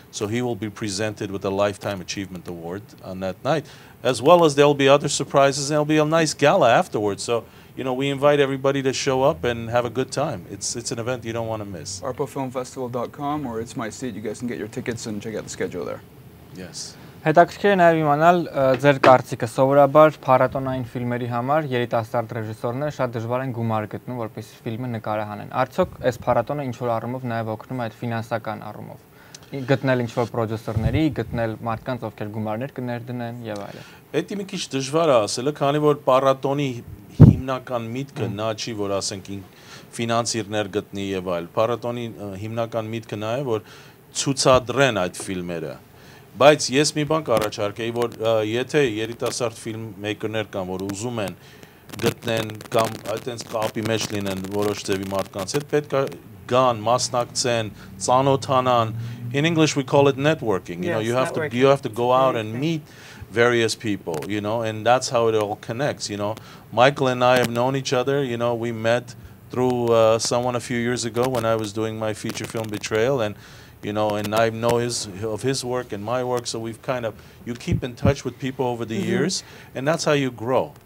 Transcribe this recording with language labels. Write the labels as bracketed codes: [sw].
[en] So he will be presented with a Lifetime Achievement Award on that night, as well as there'll be other surprises, and there'll be a nice gala afterwards. So, you know, we invite everybody to show up and have a good time. It's an event you don't want to miss. ArpaFilmFestival.com or It's My Seat. You guys can get your tickets and check out the schedule there. Yes. [hy] Հետաքրքիր է նաև իմանալ ձեր կարծիքը։ Սովորաբար փառատոնային ֆիլմերի համար երիտասարդ ռեժիսորները շատ դժվար են գումար գտնում, որպեսզի ֆիլմը նկարահանեն։ Արդյոք այս փառատոնը ինչ-որ առումով նաև օգնում է այդ ֆինանսական առումով, գտնել ինչ-որ պրոդյուսերների, գտնել մարդկանց, ովքեր գումարներ կներդնեն եւ այլն։ Էդի մի քիչ դժվար է ասելը, քանի որ փառատոնի հիմնական միտքը նա չի, որ ասենք ֆինանսիրներ գտնի եւ այլ։ Փառատոնի հիմնական միտքը նա է, որ ցուցադրեն այդ ֆիլմերը։ Բայց ես մի բան առաջարկեի, որ եթե երիտասարդ ֆիլմմեյքերներ կան, որ ուզում են գտնեն կամ այտենց կապի մեջ լինեն որոշ ձևի մարդկանց հետ, պետք է գան, մասնակցեն, ծանոթանան։ [en] In English we call it networking. You yes, know, you have To you have to go out and meet various people, you know, and that's how it all connects, you know. Michael and I have known each other, you know, we met through someone a few years ago when I was doing my feature film Betrayal, and you know, and I know his work and my work, so we've kind of, you keep in touch with people over the years, and that's how you grow.